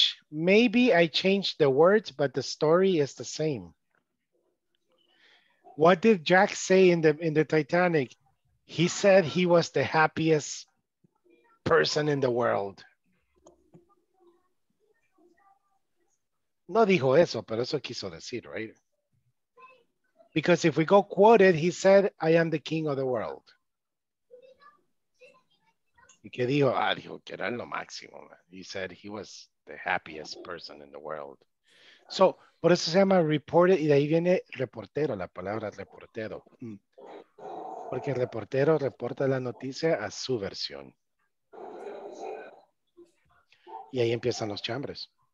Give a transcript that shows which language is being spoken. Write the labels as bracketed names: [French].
[English] Maybe I changed the words, but the story is the same. What did Jack say in the Titanic? He said he was the happiest person in the world. [Spanish] No dijo eso, pero eso quiso decir, [English] right? Because if we go quoted, he said, I am the king of the world. [Spanish] Y que dijo, ah, dijo que era lo máximo, man. [English] He said he was the happiest person in the world. So, [Spanish] por eso se llama reported, y de ahí viene reportero, la palabra reportero. Porque el reportero reporta la noticia a su versión. y ahí empiezan los chambres.